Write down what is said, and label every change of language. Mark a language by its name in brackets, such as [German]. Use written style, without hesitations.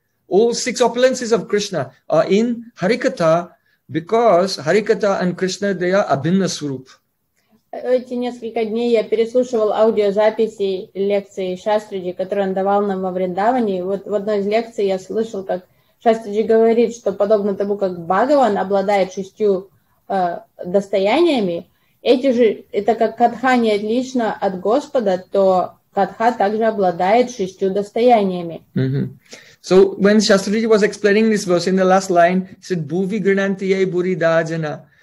[English] All six opulences of Krishna are in Harikata because Harikata and Krishna, they are abhinna swarup. [Russian] Эти несколько дней я переслушивал аудиозаписи лекции Шастриджи, которые он давал нам во Вриндаване. Вот в одной из лекций я слышал, как Шастриджи говорит, что подобно тому, как Бхагаван обладает шестью достояниями, эти же, это как катха не отлично от Господа, то катха также обладает шестью достояниями. [English] So when Shastriji was explaining this verse in the last line, he said, [Sanskrit] "Bhuvi grinantiye buridarjana."